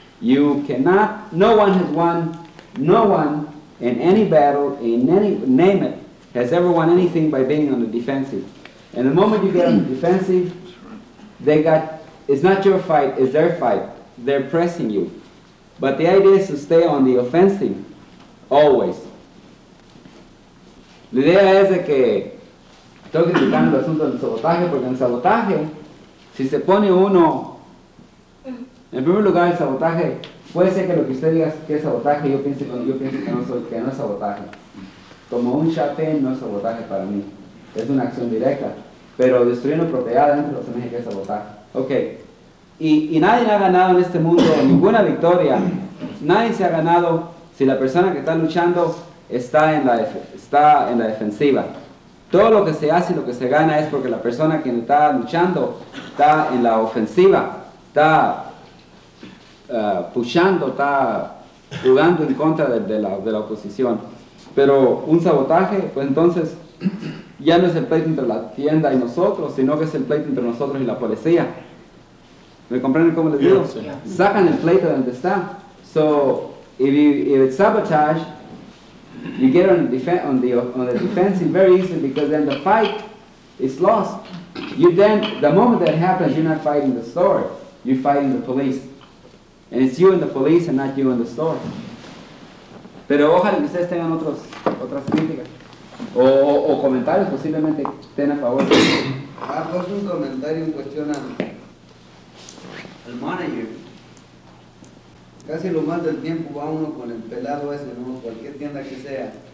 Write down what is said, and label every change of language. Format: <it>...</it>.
<en>You cannot, no one has won, no one in any battle, in any, name it, has ever won anything by being on the defensive. And the moment you get on the defensive, it's not your fight, it's their fight. They're pressing you. But the idea is to stay on the offensive, always.</en> <es>La idea es de que estoy criticando el asunto del sabotaje, porque en sabotaje, si se pone uno, en primer lugar el sabotaje, puede ser que lo que usted diga que es sabotaje, yo piense que no es sabotaje. Como un chapén no es sabotaje para mí, es una acción directa, pero destruyendo propiedad dentro de los que es sabotaje. Ok, y nadie ha ganado en este mundo ninguna victoria, nadie se ha ganado si la persona que está luchando está en la defensiva. Todo lo que se hace y lo que se gana es porque la persona que está luchando está en la ofensiva, está pushando, está jugando en contra de la oposición. Pero un sabotaje, pues entonces ya no es el pleito entre la tienda y nosotros, sino que es el pleito entre nosotros y la policía. ¿Me comprenden cómo les digo? Yeah, sí. Sacan el pleito de donde está.</es> <en>So, if it's sabotage, you get on the defensive very easily, because then the fight is lost. You then, the moment that happens, you're not fighting the store, you're fighting the police. And it's you and the police and not you and the store.</en> <es>Pero ojalá que ustedes tengan otras críticas o comentarios, posiblemente estén a favor. Pues un comentario en cuestión al manager. Casi lo más del tiempo va uno con el pelado ese, ¿no? Cualquier tienda que sea.</es>